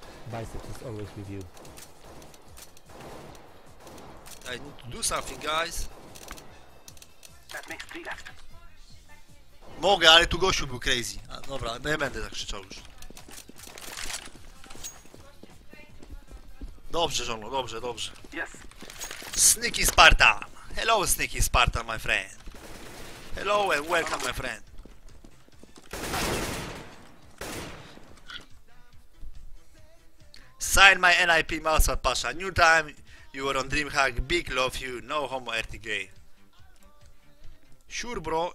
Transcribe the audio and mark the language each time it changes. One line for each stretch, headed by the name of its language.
English: Biceps is always with you. I need to do something, guys. That makes three left.
Polish: Mogę, ale tu gościu był crazy. A, dobra, nie będę tak krzyczał już. Dobrze, żono, dobrze, dobrze.
English: Yes. Sneaky Spartan. Hello, Sneaky Spartan, my friend. Hello and welcome, my friend. Sign my NIP Mousepad Pasha. New time, you are on DreamHack. Big love you. No homo RTG. Sure, bro.